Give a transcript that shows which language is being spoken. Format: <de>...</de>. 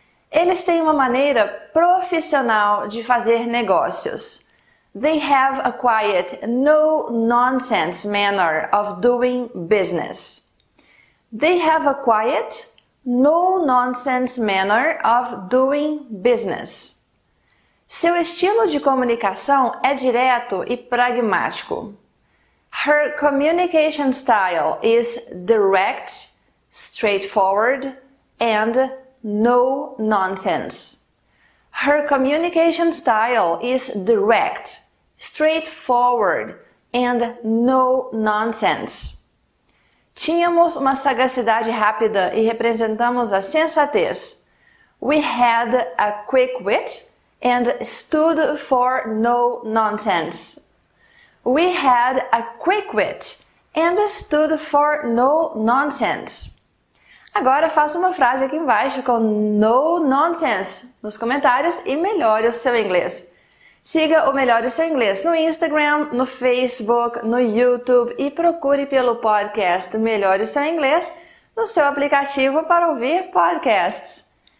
<pt>Eles têm uma maneira profissional de fazer negócios.</pt> <en>They have a quiet, no nonsense manner of doing business. They have a quiet, no nonsense manner of doing business.</en> <pt>Seu estilo de comunicação é direto e pragmático.</pt> <en>Her communication style is direct, straightforward, and no nonsense. Her communication style is direct, straightforward, and no nonsense.</en> <pt>Tínhamos uma sagacidade rápida e representamos a sensatez.</pt> <en>We had a quick wit and stood for no nonsense. We had a quick wit and stood for no nonsense.</en> <pt>Agora faça uma frase aqui embaixo com no nonsense nos comentários e melhore o seu inglês. Siga o Melhor do Seu Inglês no Instagram, no Facebook, no YouTube e procure pelo podcast Melhor do Seu Inglês no seu aplicativo para ouvir podcasts.</pt>